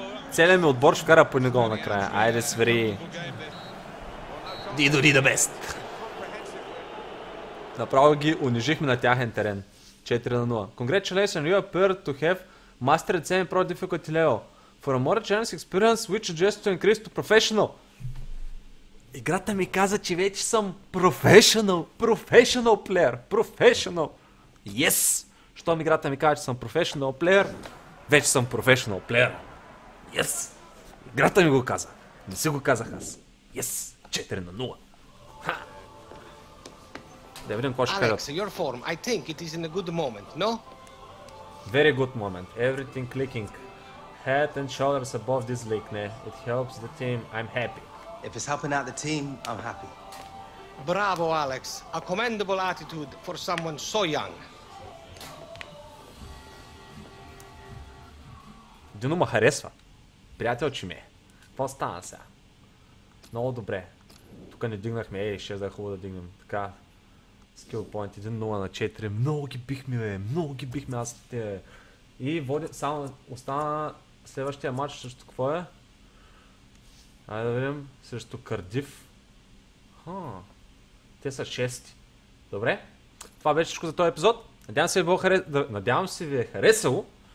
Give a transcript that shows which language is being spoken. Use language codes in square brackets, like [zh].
[bg] Целият ми отбор ще вкара по един гол накрая. Айде свири. Дидо ди да бест. Направо ги унижихме на тяхен терен. 4-0. [en] Congratulations, you appear to have mastered semi pro difficulty level. For a more challenging experience, which suggests to increase to professional. [bg] Играта ми каза, че вече съм professional player. Yes! Щом играта ми каза, че съм professional player, вече съм professional player. Yes! Играта ми го каза. Не си го казах аз. Yes! 4-0. Да видим какво ще кажат. [en] Alex, your form, I think it is in a good moment, no? Very good moment. Everything clicking. Head and shoulders above this league, ne? It helps the team. I'm happy. If it's helping out the team, I'm happy. Bravo, Alex. A commendable attitude for someone so young. [bg] Дино ме харесва. Приятелчи ми. Какво стана сега? Много добре. Тук не дигнахме. Ей, ще е хубаво да дигнем. Така. [en] Skill point 1-0 на 4. [bg] Много ги бихме аз те. И води, само остана следващия матч срещу какво е? Айде да видим. Срещу Кардиф. Ха. Те са 6. Добре. Това беше всичко за този епизод. Надявам се ви е харесало.